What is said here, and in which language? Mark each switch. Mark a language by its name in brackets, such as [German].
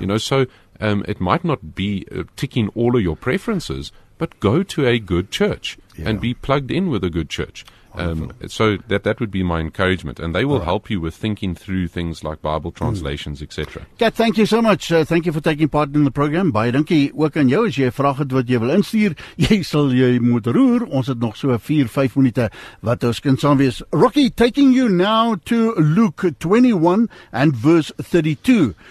[English] You know, so it might not be ticking all of your preferences, but go to a good church and be plugged in with a good church. So that would be my encouragement. And they will help you with thinking through things like Bible translations, etc. Kat, thank you so much. Thank you for taking part in the program. [Afrikaans] Baie dankie ook aan jou as jy vraag het wat jy wil instuur. Jy moet roer. Ons het nog so 4-5 minute wat ons kan saam wees. [English] Rocky, taking you now to Luke 21 and verse 32.